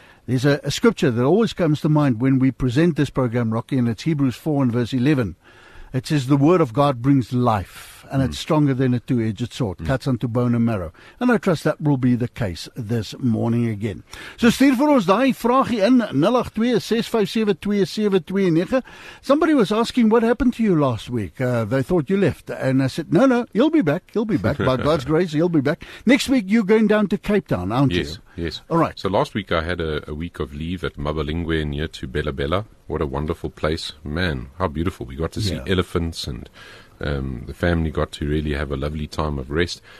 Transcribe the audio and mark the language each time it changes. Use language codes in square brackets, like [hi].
[en] There's a scripture that always comes to mind when we present this program, Rocky, and it's Hebrews 4 and verse 11. It says, the word of God brings life, and it's stronger than a two-edged sword, cuts unto bone and marrow. And I trust that will be the case this morning again. [af] So stuur vir ons daai vragie in, 082-657-2729. [en] Somebody was asking, what happened to you last week? They thought you left. And I said, no, he'll be back. He'll be back. By God's grace, he'll be back. Next week, you're going down to Cape Town, aren't yes, you? Yes. All right. So last week, I had a week of leave at Mabalingwe near to Bella Bella. What a wonderful place. Man, how beautiful. We got to see elephants and the family got to really have a lovely time of rest.